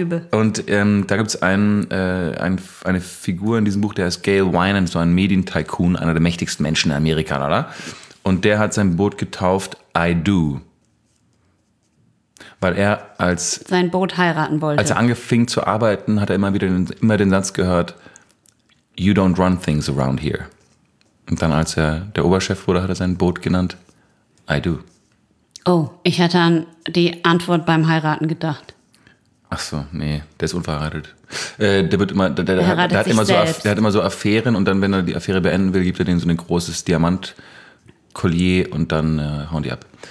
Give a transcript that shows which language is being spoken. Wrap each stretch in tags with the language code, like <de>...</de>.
<de>Und da gibt es eine Figur in diesem Buch, der heißt Gale Winans, so ein Medien-Tycoon, einer der mächtigsten Menschen in Amerika, oder? Und der hat sein Boot getauft I Do. Weil er als. Sein Boot heiraten wollte. Als er angefing zu arbeiten, hat er immer den Satz gehört.</de> <en>You don't run things around here.</en> <de>Und dann, als er der Oberchef wurde, hat er sein Boot genannt.</de> <en>I do.</en> <de>Oh, ich hatte an die Antwort beim Heiraten gedacht. Ach so, nee, der ist unverheiratet. Der hat immer so Affären und dann, wenn er die Affäre beenden will, gibt er denen so ein großes Diamant-Collier und dann hauen die ab.</de>